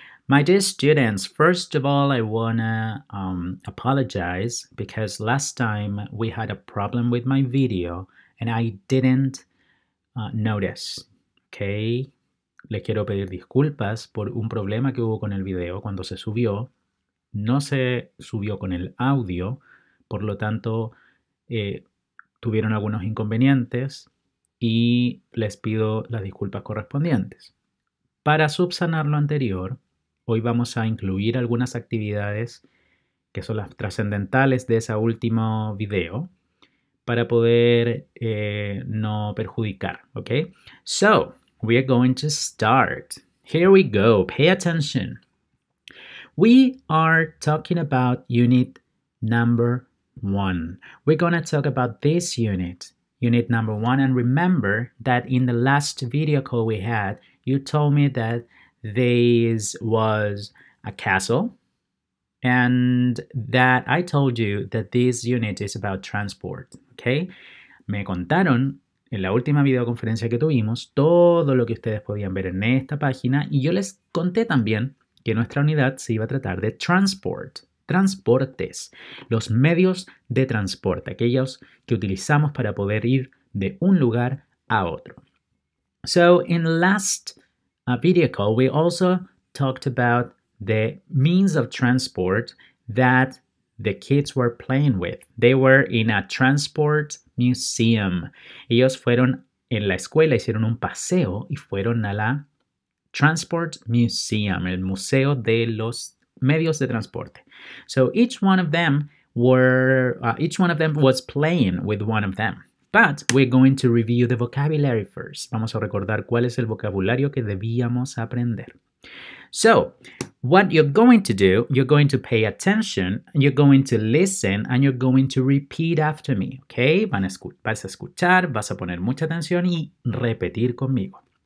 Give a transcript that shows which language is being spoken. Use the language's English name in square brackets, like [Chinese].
[English] My dear students, first of all, I wanna apologize because last time we had a problem with my video and I didn't notice, okay? [Spanish] Les quiero pedir disculpas por un problema que hubo con el video cuando se subió. No se subió con el audio, por lo tanto, tuvieron algunos inconvenientes. Y les pido las disculpas correspondientes. Para subsanar lo anterior, hoy vamos a incluir algunas actividades que son las trascendentales de ese último video para poder no perjudicar, ¿ok? [English] So, we are going to start. Here we go. Pay attention. We are talking about unit number one. We're going to talk about this unit. Unit number one, and remember that in the last video call we had, you told me that this was a castle, and that I told you that this unit is about transport, okay? [Spanish] Me contaron en la última videoconferencia que tuvimos todo lo que ustedes podían ver en esta página, y yo les conté también que nuestra unidad se iba a tratar de transport. Transportes, los medios de transporte, aquellos que utilizamos para poder ir de un lugar a otro. [English] So, in the last video call, we also talked about the means of transport that the kids were playing with. They were in a transport museum. [Spanish] Ellos fueron en la escuela, hicieron un paseo y fueron a la transport museum, el museo de los medios de transporte. [English] So each one of them was playing with one of them. But we're going to review the vocabulary first. [Spanish] Vamos a recordar cuál es el vocabulario que debíamos aprender. [English] So what you're going to do, you're going to pay attention, you're going to listen, and you're going to repeat after me, okay? [Spanish] Vas a escuchar, vas a poner mucha atención y repetir conmigo.